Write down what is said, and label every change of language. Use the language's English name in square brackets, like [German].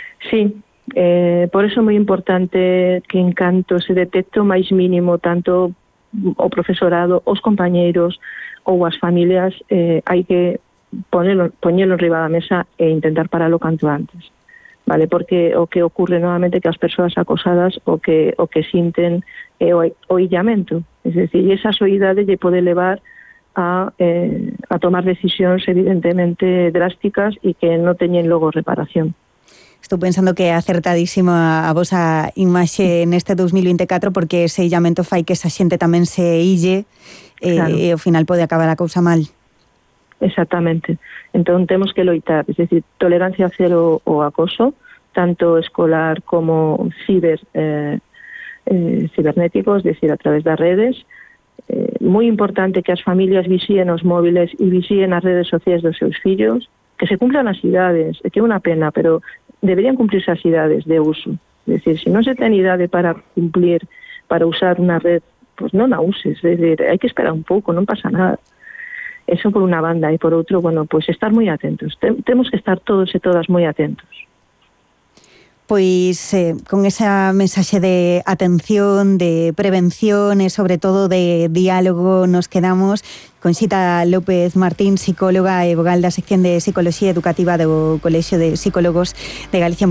[Galician] Sí, por eso é moi importante que en canto se detecte o máis mínimo, tanto o profesorado, os compañeiros ou as familias, hai que poñelo enriba da mesa e intentar paralo canto antes. ¿vale? [Spanish] Porque [Galician] o que ocurre [Spanish] nuevamente que las personas acosadas o que sienten oillamento. Es decir, esa soledad le puede llevar a tomar decisiones evidentemente drásticas y que no tienen luego reparación. [Galician] Estou pensando que é acertadísima a vosa imaxe neste 2024 porque ese illamento fai que esa xente tamén se ille claro. E ao final pode acabar a cousa mal. Exactamente. Entón temos que loitar, es decir, tolerancia cero o acoso, tanto escolar como cibernético, es decir, a través das redes. Moi importante que as familias visíen os móviles e visíen as redes sociais dos seus fillos, que se cumplan as idades, que é unha pena, pero deberían cumplirse as idades de uso. [Spanish] Es decir, si no se tiene edad para cumplir, para usar una red, pues no la uses. Es decir, hay que esperar un poco, no pasa nada. Eso por una banda. Y por otro, bueno, pues estar muy atentos. Tenemos que estar todos y todas muy atentos. [Galician] Pois con esa mensaxe de atención, de prevención e sobre todo de diálogo nos quedamos con Xita López Martín, psicóloga e vogal da sección de Psicología Educativa do Colexio de Psicólogos de Galicia.